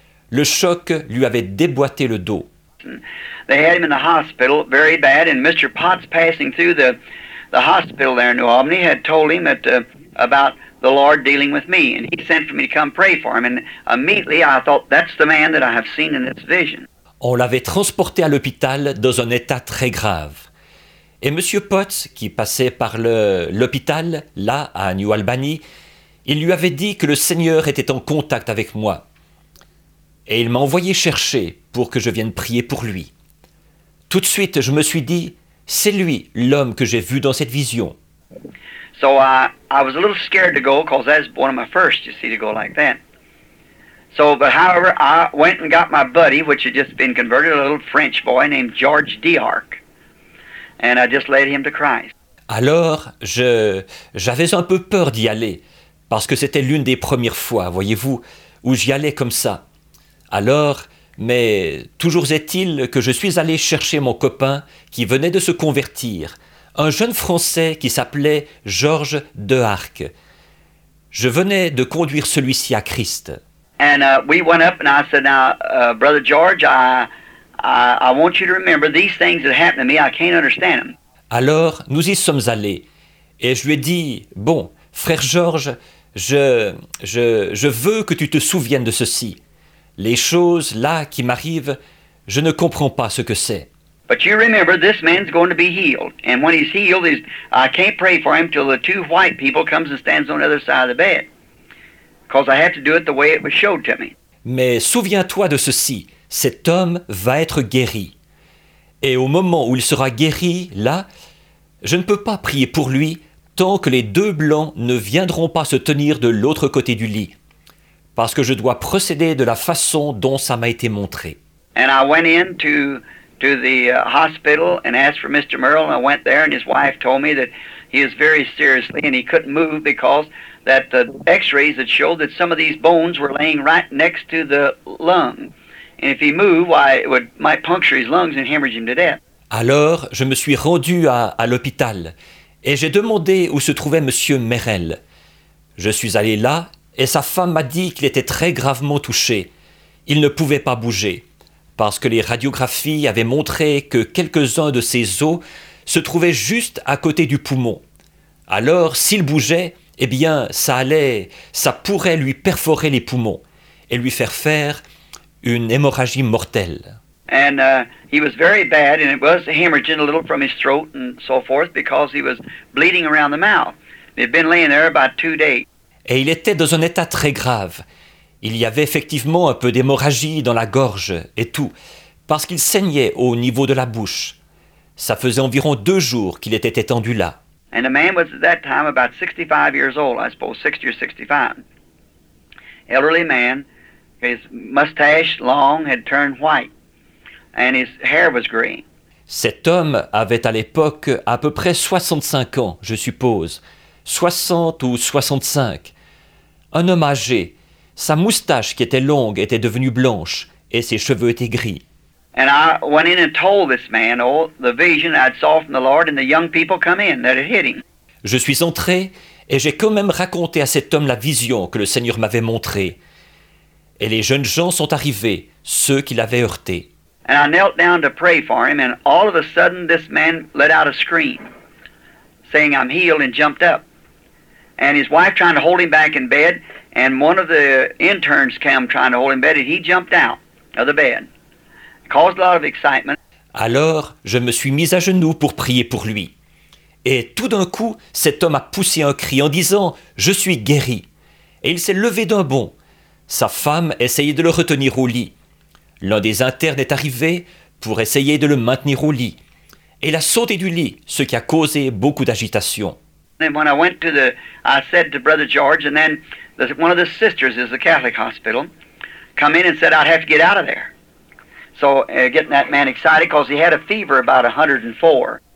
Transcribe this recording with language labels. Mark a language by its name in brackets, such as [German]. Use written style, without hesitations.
[French] Le choc lui avait déboîté le dos. [English] They had him in the hospital, very bad, and Mr. Potts, passing through the hospital there in New Albany, had told him about the Lord dealing with me, and he sent for me to come pray for him, and immediately I thought, that's the man that I have seen in this vision. [French] On l'avait transporté à l'hôpital dans un état très grave. Et Monsieur Potts, qui passait par l'hôpital, là, à New Albany, il lui avait dit que le Seigneur était en contact avec moi. Et il m'a envoyé chercher pour que je vienne prier pour lui. Tout de suite, je me suis dit, c'est lui, l'homme que j'ai vu dans cette vision. [English] So I was a little scared to go, because that's one of my first, you see, to go like that. So, but however, I went and got my buddy, which had just been converted, a little French boy named George Dehark. And I just led him to Christ. [French] Alors, j'avais un peu peur d'y aller, parce que c'était l'une des premières fois, voyez-vous, où j'y allais comme ça. Alors, mais toujours est-il que je suis allé chercher mon copain qui venait de se convertir, un jeune Français qui s'appelait Georges Dehark. Je venais de conduire celui-ci à Christ. [English] And we went up and I said, now, Brother George, I want you to remember these things that happened to me, I can't understand them. [French] Alors, nous y sommes allés et je lui ai dit, bon, frère Georges, je veux que tu te souviennes de ceci. Les choses là qui m'arrivent, je ne comprends pas ce que c'est. [English] But you remember, this man's going to be healed. And when he's healed, I can't pray for him till the two white people comes and stands on the other side of the bed. Because I have to do it the way it was showed to me. [French] Mais souviens-toi de ceci, cet homme va être guéri. Et au moment où il sera guéri, là, je ne peux pas prier pour lui tant que les deux blancs ne viendront pas se tenir de l'autre côté du lit. Parce que je dois procéder de la façon dont ça m'a été montré. [English] And I went in to the hospital and asked for Mr. Merle. And I went there and his wife told me that he is very seriously and he couldn't move because that the x-rays had showed that some of these bones were laying right next to the lung. And if he moved, why, it would might puncture his lungs and hemorrhage him to death. [French] Alors, je me suis rendu à l'hôpital et j'ai demandé où se trouvait Monsieur Merrell. Je suis allé là. Et sa femme m'a dit qu'il était très gravement touché. Il ne pouvait pas bouger, parce que les radiographies avaient montré que quelques-uns de ses os se trouvaient juste à côté du poumon. Alors, s'il bougeait, eh bien, ça pourrait lui perforer les poumons et lui faire une hémorragie mortelle. [English] And he was very bad, and it was hemorrhaging a little from his throat and so forth, because he was bleeding around the mouth. He had been laying there about 2 days. [French] Et il était dans un état très grave. Il y avait effectivement un peu d'hémorragie dans la gorge et tout, parce qu'il saignait au niveau de la bouche. Ça faisait environ 2 jours qu'il était étendu là. [English] And the man was at that time about 65 years old, I suppose, 60 or 65. Elderly man, his mustache long had turned white, and his hair was green. [French] Cet homme avait à l'époque à peu près 65 ans, je suppose, 60 ou 65. Un homme âgé, sa moustache qui était longue était devenue blanche et ses cheveux étaient gris. [English] And I went in and told this man all the vision I'd saw from the Lord, and the young people come in that it hit him. [French] Je suis entré et j'ai quand même raconté à cet homme la vision que le Seigneur m'avait montrée. Et les jeunes gens sont arrivés, ceux qui l'avaient heurté. [English] And I knelt down to pray for him, and all of a sudden this man let out a scream, saying, "I'm healed," and jumped up. And his wife trying to hold him back in bed, and one of the interns came trying to hold him back, and he jumped out of the bed. It caused a lot of excitement. [French] Alors, je me suis mis à genoux pour prier pour lui. Et tout d'un coup, cet homme a poussé un cri en disant, « Je suis guéri !» Et il s'est levé d'un bond. Sa femme essayait de le retenir au lit. L'un des internes est arrivé pour essayer de le maintenir au lit. Et il a sauté du lit, ce qui a causé beaucoup d'agitation. [English] And when I went to the, I said to Brother George, and then the, one of the sisters is the Catholic hospital, come in and said I'd have to get out of there. So getting that man excited because he had a fever about 104.